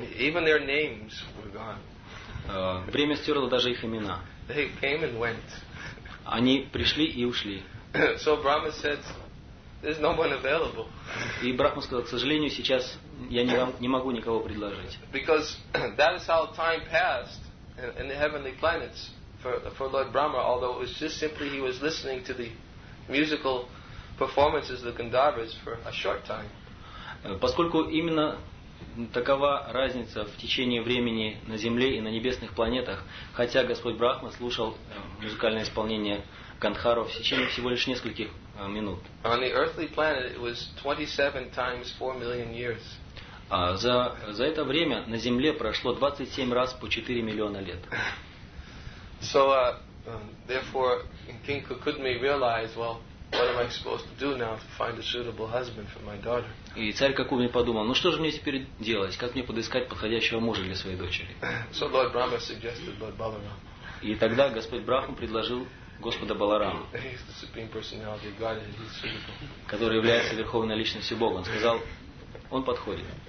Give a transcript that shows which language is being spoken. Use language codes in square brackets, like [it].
[en] Even their names were gone. [ru] Время стерло даже их имена. [en] They came and went. [ru] Они пришли и ушли. [en] So Brahma said, there's no one available. [ru] И Брахма сказал: к сожалению, сейчас я не могу никого предложить. [en] Because that is how time passed in the heavenly planets for Lord Brahma, although it was just simply he was listening to the musical performances of the Gandharvas for a short time. [ru] Поскольку именно такова разница в течение времени на Земле и на небесных планетах, хотя Господь Брахма слушал музыкальное исполнение Гандхаров в течение всего лишь нескольких минут. [en] On the earthly planet it was 27 times 4 million years. [ru] За это время на Земле прошло 27 раз по 4 миллиона лет. [en] So therefore King Kakudmi realized, well, what am I supposed to do now to find a suitable husband for my daughter? [ru] И царь Кокудми подумал: ну что же мне теперь делать? Как мне подыскать подходящего мужа для своей дочери? [en] So Lord Brahma suggested Lord Balaram. [ru] И тогда Господь Брахма предложил Господа Баларама. [en] He's the supreme personality of God, and he's suitable. [ru] Который является верховной личностью Бога. Он сказал: он подходит.